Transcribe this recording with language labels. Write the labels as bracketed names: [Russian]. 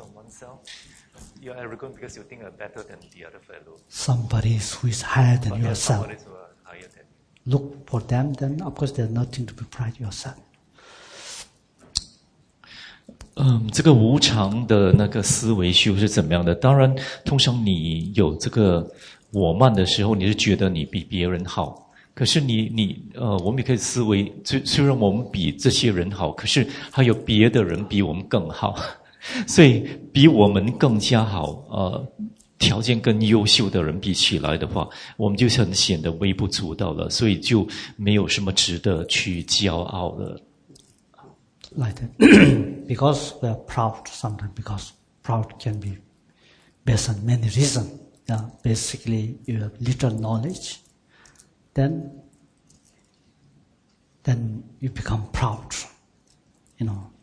[English] So, you are arrogant because you think you are better than the other fellow. Somebody who is higher than yourself. Look for them, then of course there is nothing to be proud of yourself. [Chinese] 这个无常的那个思维修是怎么样的？当然，通常你有这个我慢的时候，你是觉得你比别人好。可是我们也可以思维，虽然我们比这些人好，可是还有别的人比我们更好。所以比我们更加好，条件更优秀的人比起来的话，我们就很显得微不足道了，所以就没有什么值得去骄傲的。 [English] Like that. Because we are proud sometimes, because proud can be based on many reasons. Yeah, basically, you have little knowledge, then you become proud, you know.